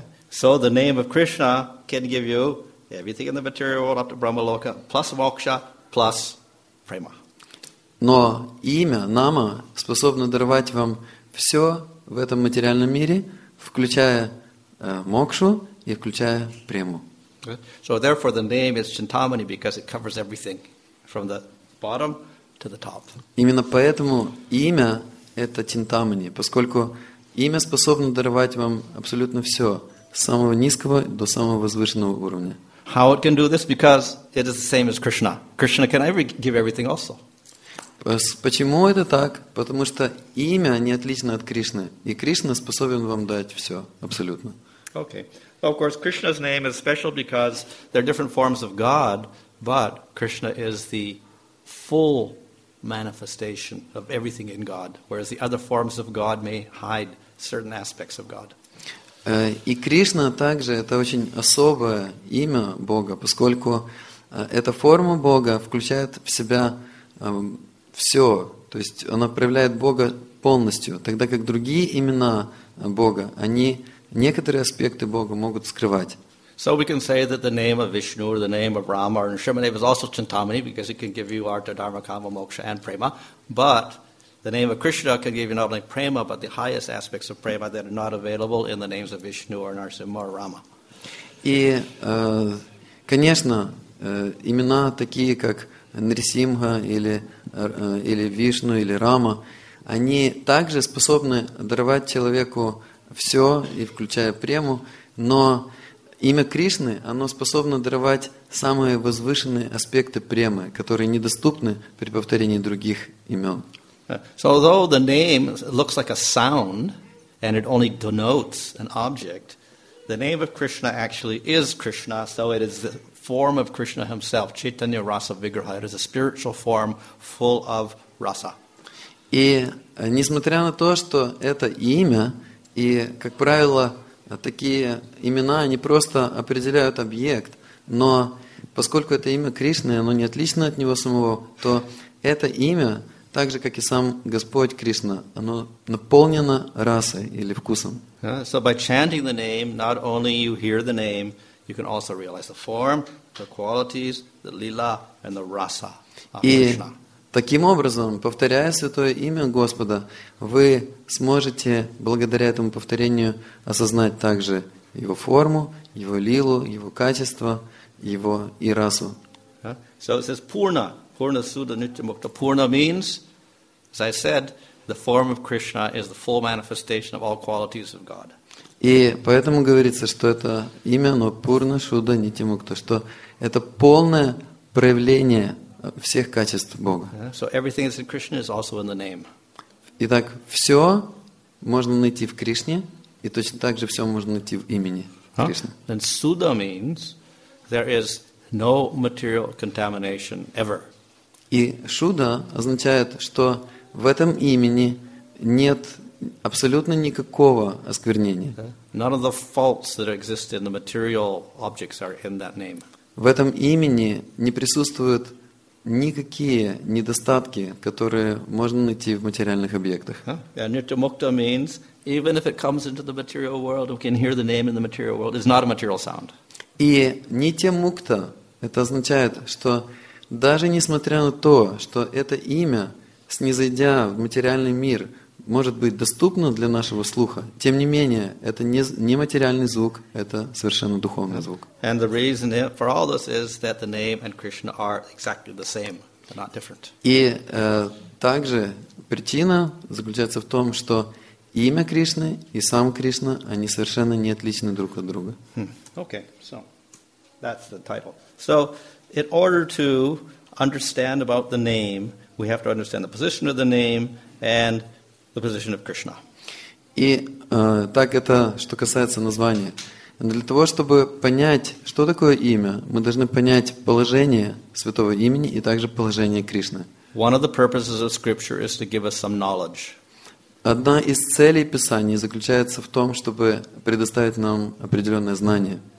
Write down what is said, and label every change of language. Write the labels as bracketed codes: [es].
[en] So the name of Krishna can give you everything in the material world up to Brahmaloka, plus moksha, plus prema. [ru] Но имя, нама, способно даровать вам все в этом материальном мире, включая мокшу и включая прему. [en] So therefore the name is Chintamani because it covers everything from the bottom to the top. [ru] Именно поэтому имя это Чинтамани, поскольку имя способно даровать вам абсолютно все, с самого низкого до самого возвышенного уровня. [en] How it can do this? Because it is the same as Krishna. Krishna can give everything also. [ru] Почему это так? Потому что имя не отлично от Кришны, и Кришна способен вам дать все, абсолютно. [en] Okay. Well, of course, Krishna's name is special because there are different forms of God, but Krishna is the full manifestation of everything in God, whereas the other forms of God may hide certain aspects of God. [ru] И Кришна также это очень особое имя Бога, поскольку эта форма Бога включает в себя все, то есть она проявляет Бога полностью, тогда как другие имена Бога, они некоторые аспекты Бога могут скрывать. [en] So we can say that the name of Vishnu or the name of Rama or Nrsimhadeva is also Chintamani because it can give you Artha, Dharma, Kama, Moksha and Prema. But the name of Krishna can give you not only Prema but the highest aspects of Prema that are not available in the names of Vishnu or Narsimha or Rama. [ru] И, конечно, имена такие как Нрисимха или Вишну или Рама, они также способны даровать человеку все, и включая Прему, но имя Кришны, оно способно даровать самые возвышенные аспекты премы, которые недоступны при повторении других имен. [en] So although the name looks like a sound and it only denotes an object, the name of Krishna actually is Krishna, so it is the form of Krishna himself, Chaitanya Rasa Vigraha. It is a spiritual form full of rasa. [ru] И несмотря на то, что это имя, и, как правило, такие имена, они просто определяют объект, но поскольку это имя Кришны, оно не отлично от него самого, то это имя, так же, как и сам Господь Кришна, оно наполнено расой или вкусом. [en] So by chanting the name, not only you hear the name, you can also realize the form, the qualities, the lila, and the rasa. [ru] И таким образом, повторяя святое имя Господа, вы сможете, благодаря этому повторению, осознать также его форму, его лилу, его качество, его и расу. [en] So it says [sa] purna, purna sudha nitya mukta. [en] Purna means, as I said, the form of Krishna is the full manifestation of all qualities of God. [ru] И поэтому говорится, что это имя, но пурна шудха нитья мукта, что это полное проявление всех качеств Бога. [en] So everything that's in Krishna is also in the name. [ru] Итак, все можно найти в Кришне, и точно так же все можно найти в имени Кришны. Huh? [en] And sudha means there is no material contamination ever. [ru] И шудха означает, что в этом имени нет абсолютно никакого осквернения. [en] None of the faults that exist in the material objects are in that name. [ru] В этом имени не присутствуют никакие недостатки, которые можно найти в материальных объектах. [en] Nityamukta means even if it comes into the material world, we can hear the name in the material world. It's not a material sound. [ru] И нитямукта это означает, что даже несмотря на то, что это имя, снизойдя в материальный мир, может быть доступно для нашего слуха, тем не менее, это не материальный звук, это совершенно духовный звук. [en] And the reason for all this is that the name and Krishna are exactly the same, they're not different. [ru] И также причина заключается в том, что имя Кришны и сам Кришна, они совершенно не отличны друг от друга. [en] Okay, so that's the title. So in order to understand about the name, we have to understand the position of the name and the position of Krishna. [ru] И так это, что касается названия. Для того, чтобы понять, что такое имя, мы должны понять положение святого имени и также положение Кришны. [en] One of the purposes of scripture is to give us some knowledge. [ru] Одна из целей Писания заключается в том, чтобы предоставить нам определенное знание.